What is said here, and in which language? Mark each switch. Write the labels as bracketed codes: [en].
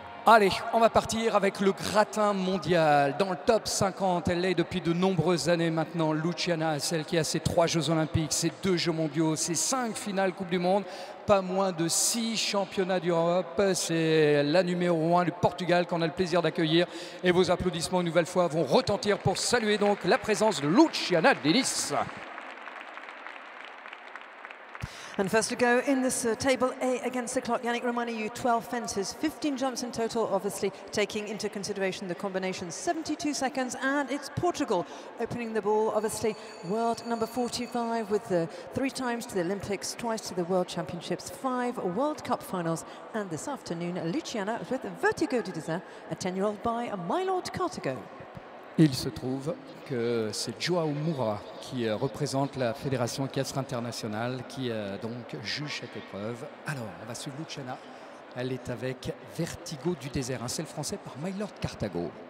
[fr] Allez, on va partir avec le gratin mondial. Dans le top 50, elle l'est depuis de nombreuses années maintenant, Luciana, celle qui a ses 3 Jeux Olympiques, ses 2 Jeux Mondiaux, ses 5 finales Coupe du Monde, pas moins de 6 championnats d'Europe. C'est la numéro 1 du Portugal qu'on a le plaisir d'accueillir. Et vos applaudissements une nouvelle fois vont retentir pour saluer donc la présence de Luciana Delis. [en] And first to go in this table A against the clock, Yannick Romagnou, 12 fences, 15 jumps in total, obviously taking into consideration the combination, 72 seconds, and it's Portugal opening the ball, obviously world number 45 with the 3 times to the Olympics, twice to the World Championships, 5 World Cup finals, and this afternoon, Luciana with Vertigo du Désert, a 10-year-old by My Lord Cartago. [fr] Il se trouve que c'est João Moura qui représente la Fédération équestre internationale qui donc juge cette épreuve. Alors, on va suivre Luciana. Elle est avec Vertigo du désert, un sel français par My Lord Cartago.